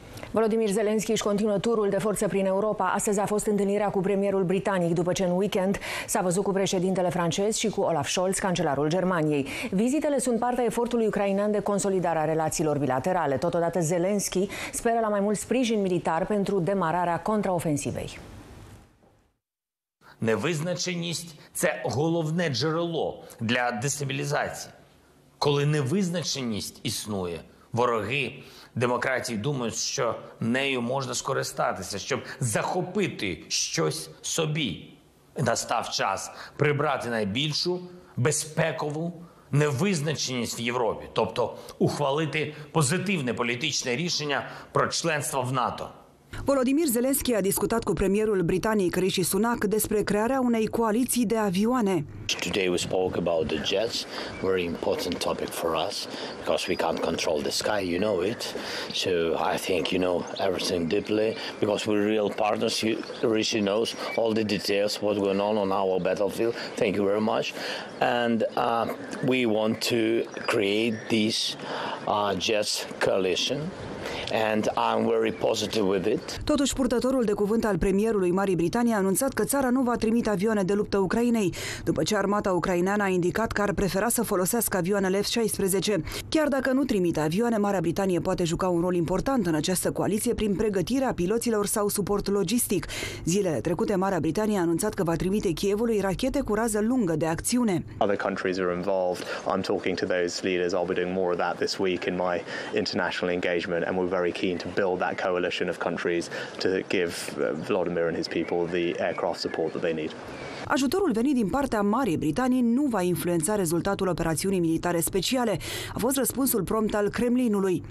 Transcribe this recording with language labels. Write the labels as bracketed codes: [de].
[ro] Volodymyr Zelensky își continuă turul de forță prin Europa. Astăzi a fost întâlnirea cu premierul britanic, după ce în weekend s-a văzut cu președintele francez și cu Olaf Scholz, cancelarul Germaniei. Vizitele sunt partea efortului ucrainean de consolidare a relațiilor bilaterale. Totodată, Zelensky speră la mai mult sprijin militar pentru demararea contraofensivei. [uk] Невизначеність – це головне джерело для дестабілізації. Коли невизначеність існує, вороги демократії думають, що нею можна скористатися, щоб захопити щось собі. Настав час прибрати найбільшу безпекову невизначеність в Європі, тобто ухвалити позитивне політичне рішення про членство в НАТО. [ro] Volodymyr Zelensky a discutat cu premierul britanic Rishi Sunak despre crearea unei coaliții de avioane. [en] Today we spoke about the jets, very important topic for us because we can't control the sky, you know it. So I think you know everything deeply because we're real partners. Rishi knows all the details what's going on our battlefield. Thank you very much. And we want to create this jets coalition. and I'm very positive with it. [ro] Totuși, purtătorul de cuvânt al premierului Marii Britanii a anunțat că țara nu va trimite avioane de luptă Ucrainei, după ce armata ucraineană a indicat că ar prefera să folosească avioanele F-16. Chiar dacă nu trimite avioane, Marea Britanie poate juca un rol important în această coaliție prin pregătirea piloților sau suport logistic. Zilele trecute, Marea Britanie a anunțat că va trimite Kievului rachete cu rază lungă de acțiune. [en] Other countries are involved. I'm talking to those leaders. I'll be doing more of that this week in my international engagement, and we're very keen to build that coalition of countries to give Vladimir and his people the aircraft support that they need. [ro] Ajutorul venit din partea Marii Britanii nu va influența rezultatul operațiunii militare speciale, a fost răspunsul prompt al Kremlinului.